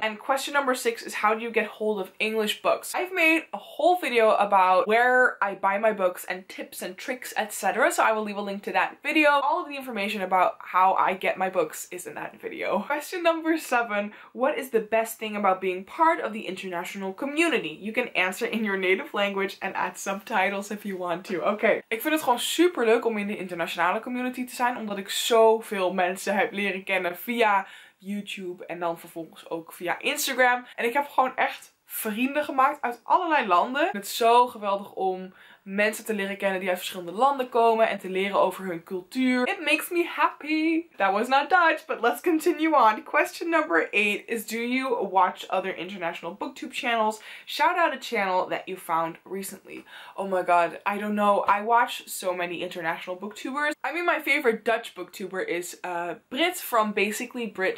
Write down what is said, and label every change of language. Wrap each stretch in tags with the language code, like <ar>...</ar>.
<en>And question number six is how do you get hold of English books? I've made a whole video about where I buy my books and tips and tricks, etc. So I will leave a link to that video. All of the information about how I get my books is in that video. Question number seven, what is the best thing about being part of the international community? You can answer in your native language and add subtitles if you want to. Okay.</en> <nl>Ik vind het gewoon super leuk om in de internationale community te zijn, omdat ik zoveel mensen heb leren kennen via YouTube en dan vervolgens ook via Instagram. En ik heb gewoon echt vrienden gemaakt uit allerlei landen. Het is zo geweldig om mensen te leren kennen die uit verschillende landen komen en te leren over hun cultuur.</nl> <en>It makes me happy. That was not Dutch, but let's continue on. Question number eight is, do you watch other international BookTube channels? Shout out a channel that you found recently. Oh my god, I don't know. I watch so many international BookTubers. I mean, my favorite Dutch BookTuber is Brit from Basically Brit.</en>